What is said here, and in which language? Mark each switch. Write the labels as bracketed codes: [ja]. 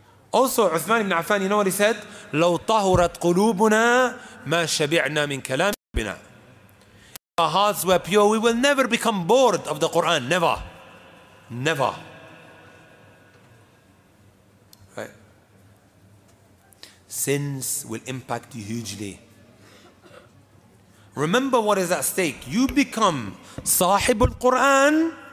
[en] Also, Uthman ibn Affan, you know what he said? [ar] لو طهرت قلوبنا ما شبعنا من كلام ربنا. [en] If our hearts were pure, we will never become bored of the Quran. Never. Never. Right. Sins will impact you hugely. Remember what is at stake. You become [ar] صاحب القرآن.